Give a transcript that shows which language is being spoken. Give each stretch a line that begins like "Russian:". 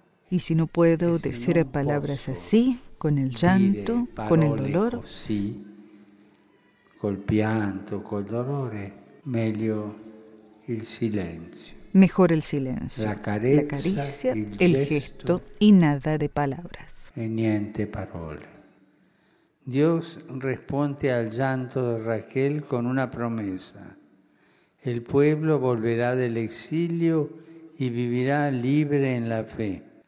Spanish: Y si no puedo decir palabras así, con el llanto, con el dolor,
Italian: sí, col pianto, col dolore, meglio il silenzio.
Spanish: Mejor el silencio,
Italian: la, carezza,
Spanish: la caricia, el gesto y nada de palabras.
Italian: E niente parole.
Spanish: Dios responde al llanto de Raquel con una promesa. El pueblo volverá del exilio y vivirá libre en la fe.